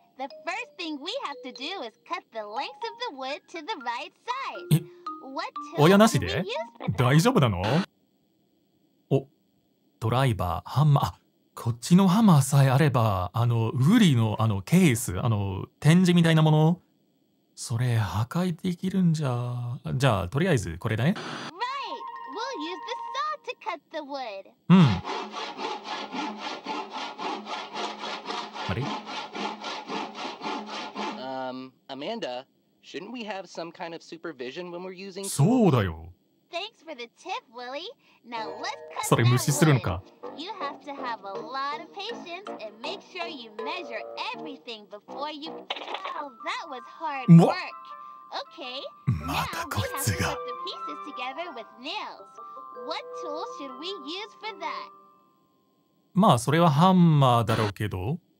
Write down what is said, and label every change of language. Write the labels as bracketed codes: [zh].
[en] The first thing we have to do is cut the length of the wood to the right size. What tool can we use? [ja] 大丈夫なの？お、ドライバー、ハンマー。あ、こっちのハンマーさえあれば、あのウーリーのあのケース、あの展示みたいなもの、それ破壊できるんじゃ。じゃあとりあえずこれだね。 [en] Right. We'll use the saw to cut the wood. [ja] うん。あれ？ [en] Amanda, shouldn't we have some kind of supervision when we're using? [ja] そうだよ。 [en] Thanks for the tip, Willie. Now let's cut. [ja] それ無視するのか。 [en] You have to have a lot of patience and make sure you measure everything before you. Wow, that was hard work. Okay. [ja] またこいつが。 [en] Now we have to put the pieces together with nails. What tool should we use for that? [ja] まあそれはハンマーだろうけど。